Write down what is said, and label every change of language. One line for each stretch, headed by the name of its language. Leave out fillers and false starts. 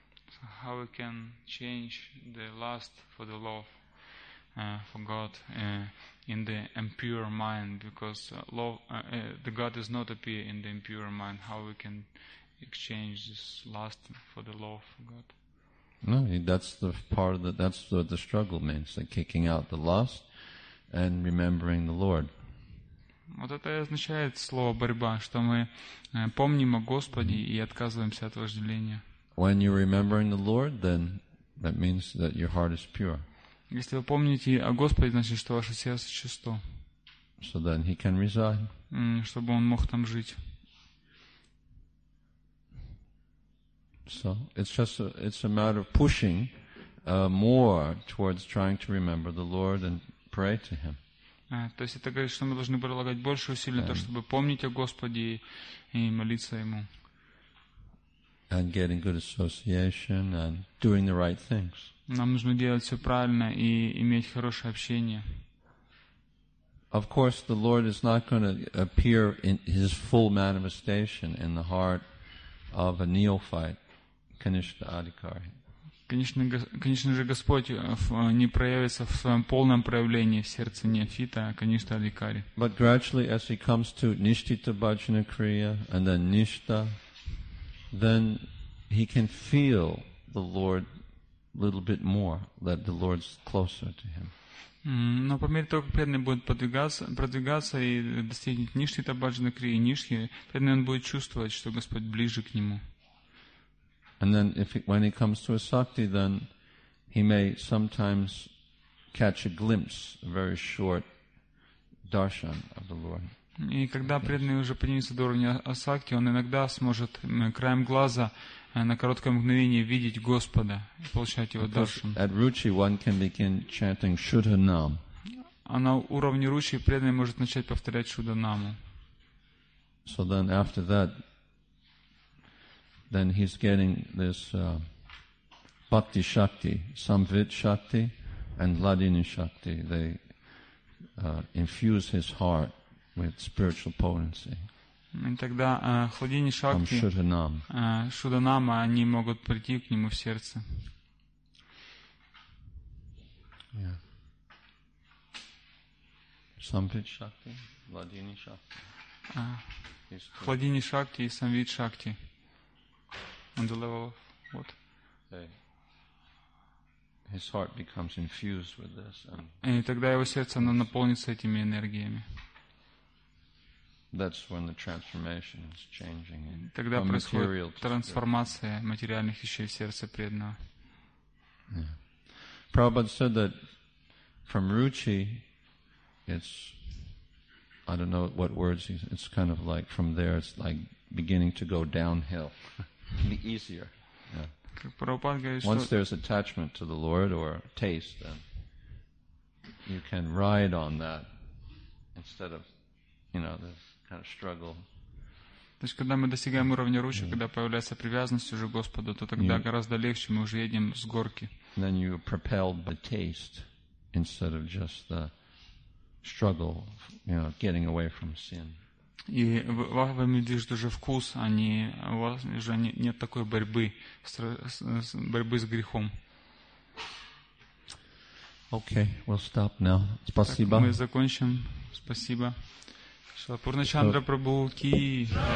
English: So how we can change the lust for the love for God in the impure mind, because the God does not appear in the impure mind. How we can exchange this lust for the love for God? No, that's the part of that's what the struggle means, the kicking out the lust and remembering the Lord.
Russian: Вот это означает слово борьба, что мы помним о Господе и отказываемся от вожделения.
English: When you're remembering the Lord, then that means that your heart is pure.
Russian: Если вы помните о Господе, значит, что ваше сердце чисто.
English: So then he can reside.
Russian: Чтобы он мог там жить.
English: So it's just it's a matter of pushing more towards trying to remember the Lord and pray to Him.
Russian: То есть это говорит, что мы должны прилагать больше усилий, то чтобы помнить о Господе и молиться Ему.
English: And getting good association and doing the right things.
Russian: Нам нужно делать все правильно и иметь хорошее общение.
English: Of course, the Lord is not going to appear in His full manifestation in the heart of a neophyte.
Russian: Конечно же, Господь не проявится в своем полном проявлении в сердце неофита, а Каништа Адикари.
English: But gradually, as he comes to Nishtita Bhajana Kriya and then Nishta, then he can feel the Lord a little bit more, that the Lord's closer to him.
Russian: Но по мере того, как преданный будет продвигаться и достигнет ништхи, табаджанакри и ништхи, преданный он будет чувствовать, что Господь ближе к нему.
English: And then when he comes to a sakti, then he may sometimes catch a glimpse, a very short darshan of the Lord.
Russian: И когда преданный уже поднимется до уровня асакти, он иногда сможет краем глаза на короткое мгновение видеть Господа и получать его даршан.
English: At Ruchi one can begin chanting Shuddhanam.
Russian: А на уровне Ручи преданный может начать повторять Шуддханаму.
English: So then after that, then he's getting this bhakti shakti, samvit shakti, and ladini shakti. They infuse his heart with spiritual potency.
Russian: И тогда хладини шакти, шуддханама, они могут прийти к нему в сердце. Самвит шакти, ладини шакти.
English: Хладини шакти и самвит шакти. On the level of what? His heart becomes infused with this. And
Russian: тогда его сердце, оно наполнится этими энергиями.
English: That's when the transformation is changing.
Russian: Тогда происходит трансформация материальных вещей в сердце преданного.
English: Prabhupada said that from Ruchi, it's, I don't know what words, it's kind of like from there, it's like beginning to go downhill. Be easier. Once there's attachment to the Lord or taste, then you can ride on that instead of, you know, this kind of struggle.
Russian: То есть, когда мы достигаем уровня ручья, когда появляется привязанность уже к Господу, то тогда гораздо легче, мы уже едем с горки.
English: Then you are propelled by taste instead of just the struggle, you know, getting away from sin.
Russian: И вами движет уже вкус, а не, у вас уже нет такой борьбы, борьбы с грехом.
English: Okay, we'll stop now.
Russian: Спасибо. Так, мы закончим. Спасибо. Шалапурна Чандра Прабху Ки.